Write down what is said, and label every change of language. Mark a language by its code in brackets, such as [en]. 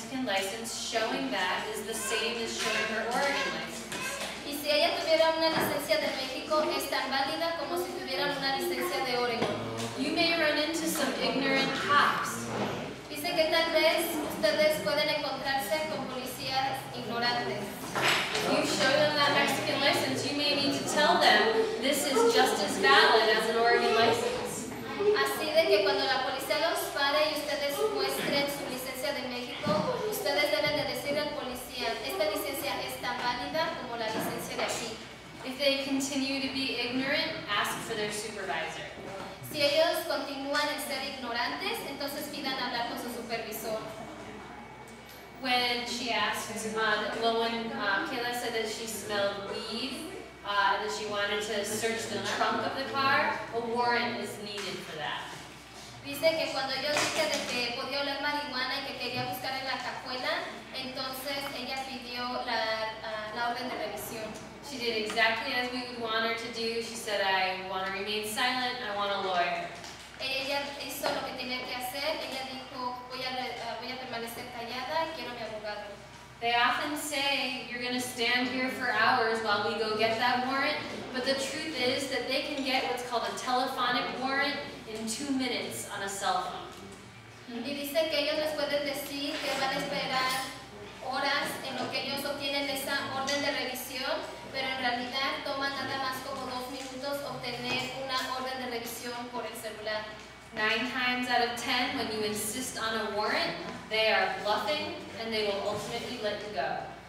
[en] license, showing that is the same as showing her origin license. [es] Y si ella tuviera una licencia de México, es tan válida como si tuviera una licencia de Oregon. [en] You may run into some ignorant cops. [es] Dice que tal vez ustedes pueden encontrarse con policías ignorantes. [en] You show them that Mexican license, you may need to tell them this is just as valid as an Oregon license. [es] Así de que cuando la policía los pare y ustedes muestren su licencia de México, ustedes deben de decirle al policía, esta licencia es tan válida como la licencia de aquí. [en] If they continue to be ignorant, ask for their supervisor. [es] Si ellos continúan en ser ignorantes, entonces pidan hablar con su supervisor. [en] When she asked, Kayla said that she smelled weed, that she wanted to search the trunk of the car, a warrant is needed for that. [es] Dice que cuando yo dije de que podía oler marihuana y que quería buscar en la cajuela, entonces ella pidió la orden de revisión. [en] She did exactly as we would want her to do. She said, I want to remain silent, I want a lawyer. [es] Ella hizo lo que tenía que hacer. Ella dijo, voy a permanecer callada y quiero mi abogado. [en] They often say, you're going to stand here for hours while we go get that warrant. But the truth is that they can get what's called a telephonic warrant in 2 minutes on a cell phone. Mm-hmm. [es] Y dice que ellos les pueden decir que van a esperar horas en lo que ellos obtienen esa orden de revisión, pero en realidad toma nada más como 2 minutos obtener una orden de revisión por el celular. [en] 9 times out of 10, when you insist on a warrant, they are bluffing and they will ultimately let you go.